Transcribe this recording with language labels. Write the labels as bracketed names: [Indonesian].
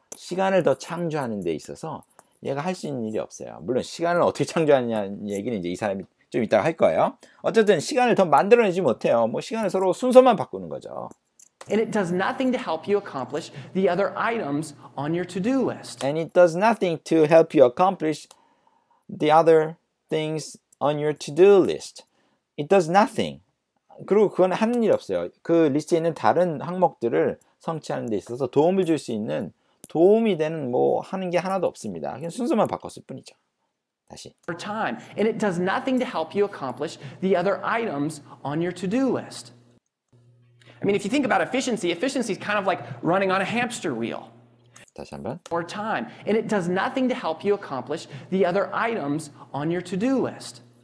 [Korean] 시간을 더 창조하는 데 있어서 얘가 할 수 있는 일이 없어요. 물론 시간을 어떻게 창조하느냐는 얘기는 이제 이 사람이 좀 이따가 할 거예요. 어쨌든 시간을 더 만들어내지 못해요. 뭐 시간을 서로 순서만 바꾸는 거죠. [English] And it does nothing to help you accomplish the other items on your to-do list. And it does nothing to help you accomplish the other things on your to-do list. It does nothing. [Korean] 그리고 그건 하는 일 없어요. 그 리스트에 있는 다른 항목들을 성취하는 데 있어서 도움을 줄 수 있는 도움이 되는 뭐 하는 게 하나도 없습니다. 그냥 순서만 바꿨을 뿐이죠. 다시. [English] For time, and it does nothing to help you accomplish the other items on your to-do list. I mean, if you think about efficiency, efficiency is kind of like running on a hamster wheel. [Korean] 다시 한번. [English] For time, and it does nothing to help you accomplish the other items on your to-do list.